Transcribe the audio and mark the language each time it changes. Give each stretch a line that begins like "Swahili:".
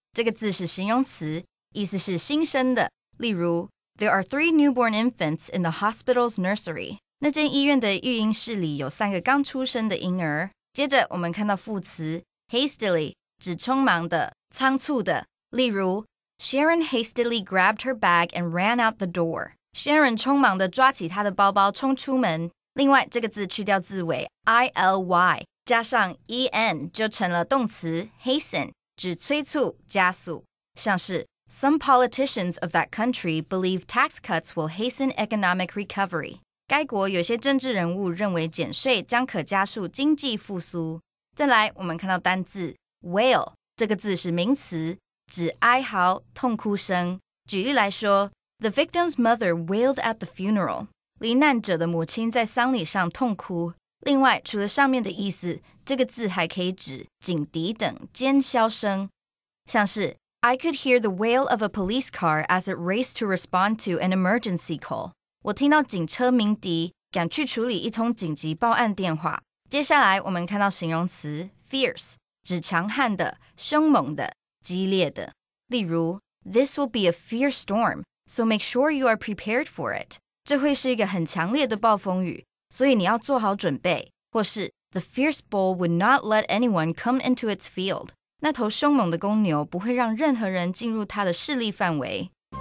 Chinese: 这个字是形容词，意思是新生的。例如
English: ,There are three newborn infants in the hospital's nursery.
Chinese: 那间医院的育婴室里有三个刚出生的婴儿。接着我们看到副词 ,hastily, 指匆忙的、仓促的。例如
English: ,Sharon hastily grabbed her bag and ran out the door.
Chinese: Sharon 匆忙地抓起她的包包冲出门。另外这个字去掉字尾 ,ily, 加上 en, 就成了动词 ,hasten. 指催促、加速，像是
English: Some politicians of that country believe tax cuts will hasten economic recovery.
Chinese: 该国有些政治人物认为减税将可加速经济复苏。再来，我们看到单字 wail 这个字是名词，指哀嚎、痛哭声。举例来说
English: ，The victim's mother wailed at the funeral.
Chinese: 罹难者的母亲在丧礼上痛哭。另外，除了上面的意思，这个字还可以指警笛等尖啸声，像是
English: I could hear the wail of a police car as it raced to respond to an emergency call.
Chinese: 我听到警车鸣笛，赶去处理一通紧急报案电话。接下来，我们看到形容词 fierce， 指强悍的、凶猛的、激烈的。例如
English: ，This will be a fierce storm, so make sure you are prepared for it.
Chinese: 这会是一个很强烈的暴风雨。所以你要做好准备，或是
English: The fierce bull would not let anyone come into its field.
Chinese: 那头凶猛的公牛不会让任何人进入它的势力范围。